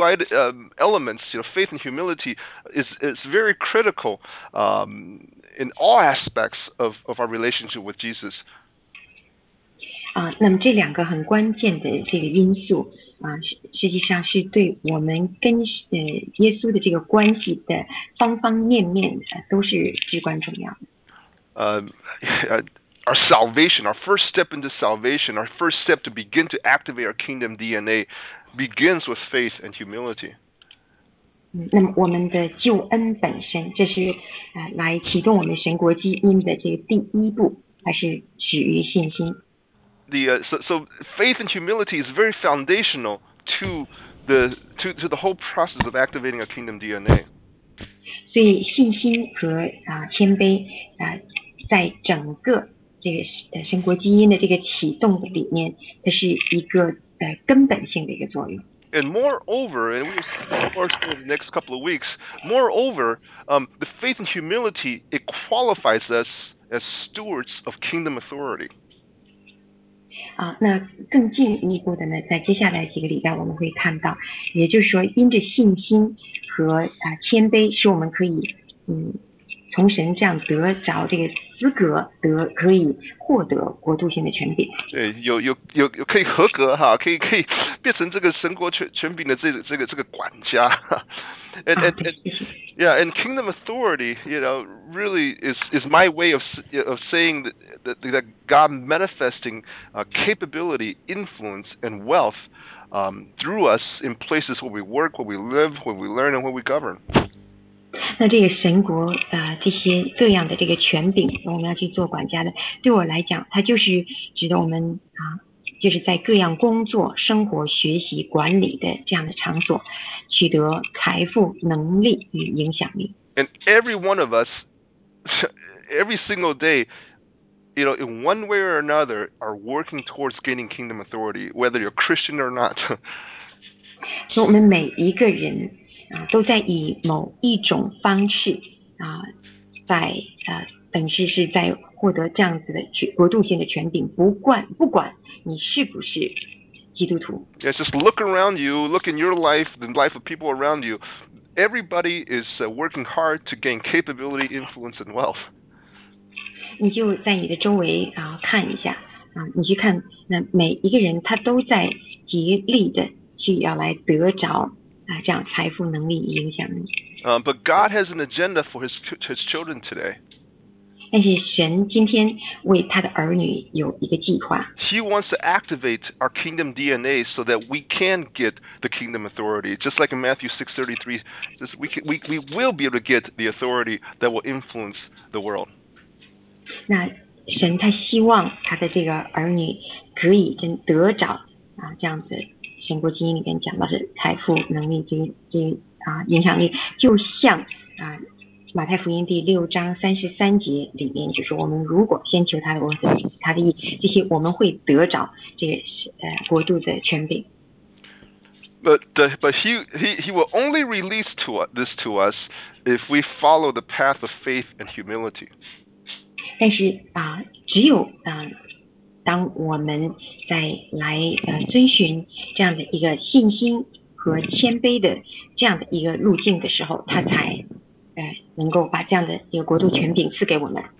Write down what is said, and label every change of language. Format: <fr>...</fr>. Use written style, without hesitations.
<en>And these two elements, you know, faith and humility is very critical in all aspects of our relationship with Jesus.</en> <zh>那么这两个很关键的这个因素实际上是对我们跟耶稣的这个关系的方方面面都是至关重要的。</zh> <en>Our salvation, our first step into salvation, our first step to begin to activate our kingdom DNA begins with faith and humility.</en> <zh>那么我们的救恩本身，这是来启动我们神国基因的这个第一步，还是始于信心。</zh> <en>So faith and humility is very foundational to the whole process of activating a kingdom DNA.</en> <zh>所以信心和谦卑在整个这个神国基因的这个启动里面，它是一个根本性的一个作用。</zh> <en>And moreover, and we'll see more in the next couple of weeks. Moreover, the faith and humility it qualifies us as stewards of kingdom authority.</en> <zh>那更进一步的呢，在接下来几个礼拜我们会看到，也就是说因着信心和谦卑，使我们可以从神这样得着这个资格，可以获得国度性的权柄。对，有可以合格哈，可以变成这个神国权柄的这个管家。</zh> <en>And kingdom authority, you know, really is my way of saying that God manifesting capability, influence, and wealth through us in places where we work, where we live, where we learn, and where we govern.</en> <zh>那这个神国这些各样的这个权柄，我们要去做管家的，对我来讲，它就是指的我们就是在各样工作、生活、学习、管理的这样的场所，取得财富、能力与影响力。</zh> <en>And every one of us, every single day, you know, in one way or another, are working towards gaining kingdom authority, whether you're Christian or not.</en> <zh>所以我们每一个人都在以某一种方式在等于是在获得这样子的国度性的权柄，不管你是不是基督徒。</zh> <en>Yes, just look around you, look in your life, the life of people around you. Everybody is working hard to gain capability, influence, and wealth.</en> <zh>你就在你的周围看一下你去看那每一个人，他都在极力的去要来得着这样财富、能力、影响力。</zh> <en>But God has an agenda for His children today.</en> <zh>但是神今天为他的儿女有一个计划。</zh> <en>He wants to activate our kingdom DNA so that we can get the kingdom authority, just like in Matthew 6:33, we will be able to get the authority that will influence the world.</en> <zh>那神他希望他的这个儿女可以跟得着这样子，神国基因里面讲到是财富、能力、影响力，就像马太福音第六章三十三节里面就说，我们如果先求他的国，他的义，这些我们会得着这个国度的权柄。</zh> <en>But he will only release this to us if we follow the path of faith and humility.</en> <zh>但是只有当我们在来遵循这样的一个信心和谦卑的这样的一个路径的时候，他才能够把这样的一个国度权柄赐给我们。</zh>